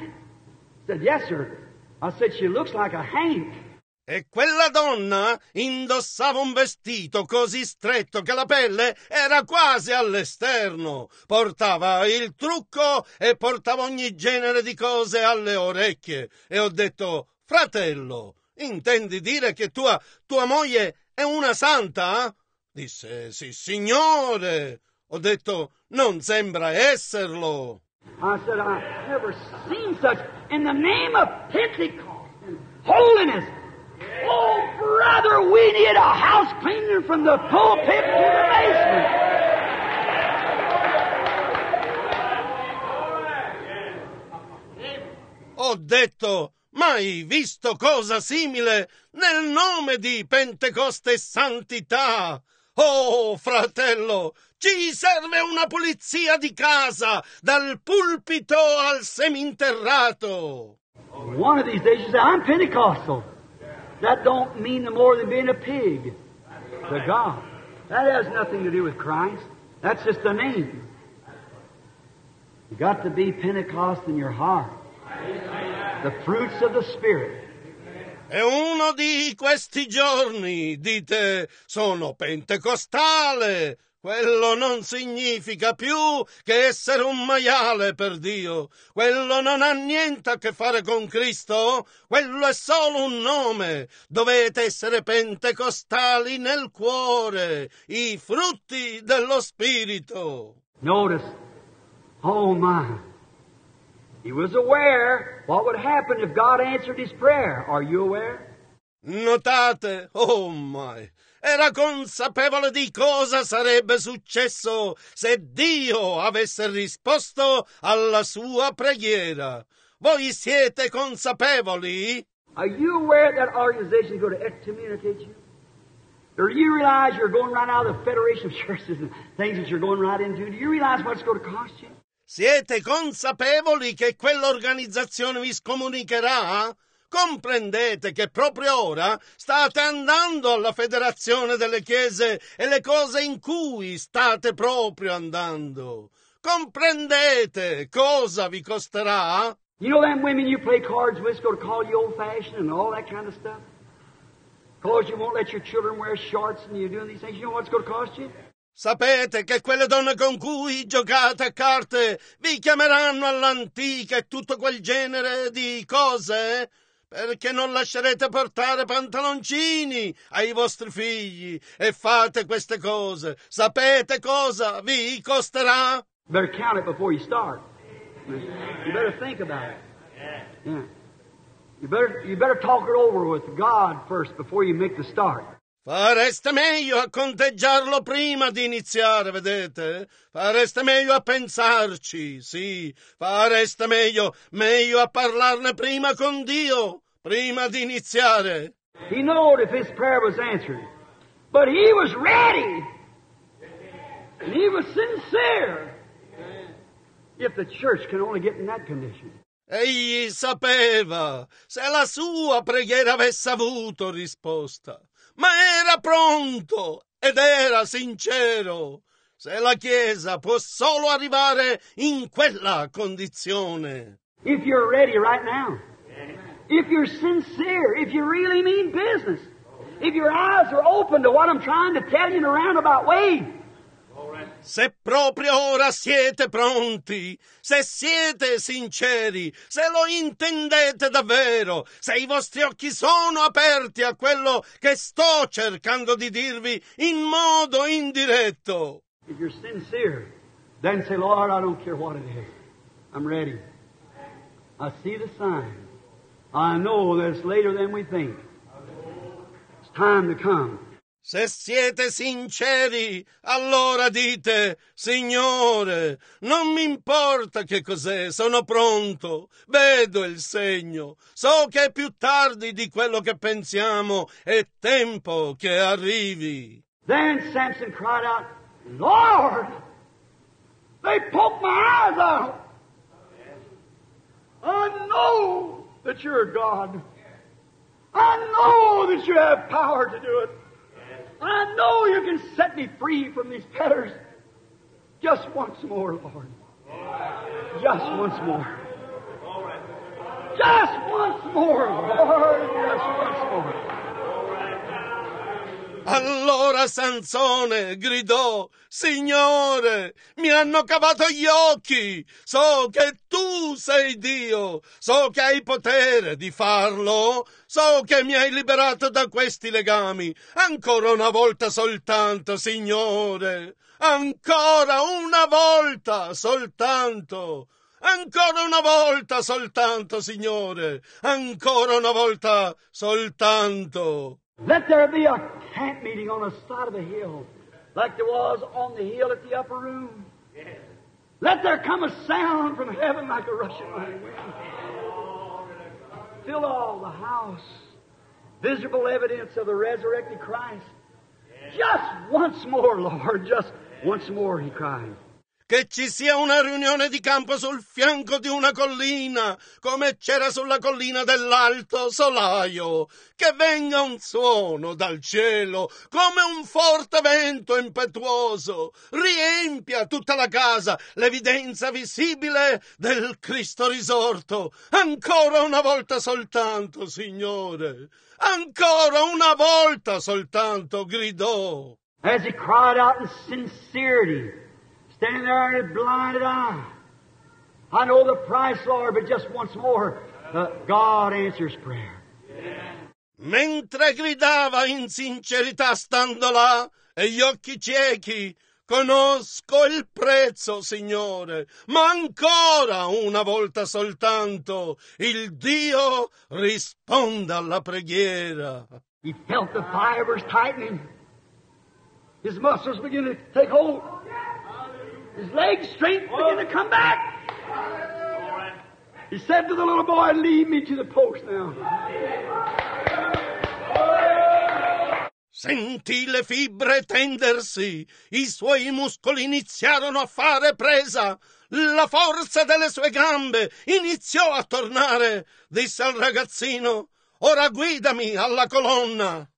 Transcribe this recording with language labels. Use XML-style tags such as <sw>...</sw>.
<en>He said, yes, sir. I said, she looks like a Hank.</en> <it>E quella donna indossava un vestito così stretto che la pelle era quasi all'esterno. Portava il trucco e portava ogni genere di cose alle orecchie. E ho detto, fratello... Intendi dire che tua moglie è una santa? Disse, sì, signore. Ho detto, non sembra esserlo.</it> <en>I said, I've never seen such in the name of Pentecost and holiness. Oh, brother, we need a house cleaning from the pulpit to the basement.</en> <it>Ho detto... Mai visto cosa simile nel nome di Pentecoste Santità? Oh, fratello, ci serve una pulizia di casa, dal pulpito al seminterrato.</it> <en>One of these days you say, I'm Pentecostal. That don't mean no more than being a pig to God. That has nothing to do with Christ. That's just a name. You got to be Pentecost in your heart. The fruits of the Spirit.</en> <it>E uno di questi giorni, dite, sono pentecostale. Quello non significa più che essere un maiale per Dio. Quello non ha niente a che fare con Cristo. Quello è solo un nome. Dovete essere pentecostali nel cuore, i frutti dello Spirito.</it> <en>Notice, oh my. He was aware what would happen if God answered his prayer. Are you aware?</en> <it>Notate,</it> <en>oh my,</en> <it>era consapevole di cosa sarebbe successo se Dio avesse risposto alla sua preghiera. Voi siete consapevoli?</it> <en>Are you aware that organization is going to excommunicate you? Or do you realize you're going right out of the Federation of Churches and things that you're going right into? Do you realize what it's going to cost you?</en> <it>Siete consapevoli che quell'organizzazione vi scomunicherà? Comprendete che proprio ora state andando alla Federazione delle Chiese e le cose in cui state proprio andando. Comprendete cosa vi costerà?</it> <en>You know them women you play cards with go to call you old fashioned and all that kind of stuff? Cause you won't let your children wear shorts and you're doing these things. You know what it's going to cost you?</en> <it>Sapete che quelle donne con cui giocate a carte vi chiameranno all'antica e tutto quel genere di cose? Perché non lascerete portare pantaloncini ai vostri figli e fate queste cose? Sapete cosa vi costerà?</it> <en>Better count it before you start. You better think about it. Yeah. You better talk it over with God first before you make the start.</en> <it>Fareste meglio a conteggiarlo prima di iniziare, vedete? Fareste meglio a pensarci, sì. Fareste meglio a parlarne prima con Dio, prima di iniziare.</it> <en>He knew if his prayer was answered, but he was ready. And he was sincere. If the church can only get in that condition.</en> <it>Egli sapeva se la sua preghiera avesse avuto risposta. Ma era pronto ed era sincero. Se la Chiesa può solo arrivare in quella condizione.</it> <en>If you're ready right now, if you're sincere, if you really mean business, if your eyes are open to what I'm trying to tell you in a roundabout way.</en> <it>Se proprio ora siete pronti, se siete sinceri, se lo intendete davvero, se i vostri occhi sono aperti a quello che sto cercando di dirvi in modo indiretto.</it> <en>If you're sincere, then say, Lord, I don't care what it is. I'm ready. I see the sign. I know that it's later than we think. It's time to come.</en> <it>Se siete sinceri, allora dite, Signore, non mi importa che cos'è, sono pronto, vedo il segno, so che è più tardi di quello che pensiamo, è tempo che arrivi.</it> <en>Then Samson cried out, Lord, they poked my eyes out. I know that you're God. I know that you have power to do it. I know you can set me free from these fetters. Just once more, Lord. Just once more. Just once more, Lord. Just once more.</en> <it>Allora Sansone gridò, Signore, mi hanno cavato gli occhi. So che tu sei Dio. So che hai potere di farlo. So che mi hai liberato da questi legami. Ancora una volta soltanto, Signore. Ancora una volta soltanto. Ancora una volta soltanto, Signore. Ancora una volta soltanto.</it> <en>Let there be a camp meeting on the side of the hill, like there was on the hill at the upper room. Yes. Let there come a sound from heaven like a rushing wind. Fill all the house. Visible evidence of the resurrected Christ. Yes. Just once more, Lord, just once more, he cried.</en> <it>Che ci sia una riunione di campo sul fianco di una collina, come c'era sulla collina dell'Alto Solaio. Che venga un suono dal cielo, come un forte vento impetuoso. Riempia tutta la casa, l'evidenza visibile del Cristo risorto. Ancora una volta soltanto, Signore. Ancora una volta soltanto, gridò.</it> <en>As he cried out in sincerity. Standing there in his blinded eye. I know the price, Lord, but just once more, God answers prayer.</en> <it>Mentre gridava in sincerità stando là, e gli occhi ciechi, conosco il prezzo, Signore, ma ancora una volta soltanto, il Dio risponda alla preghiera.</it> <en>He felt the fibers tightening. His muscles begin to take hold. His legs strength began to come back. He said to the little boy, lead me to the post now.</en> <it>Sentì le fibre tendersi, i suoi muscoli iniziarono a fare presa. La forza delle sue gambe iniziò a tornare. Disse al ragazzino, ora guidami alla colonna.</it>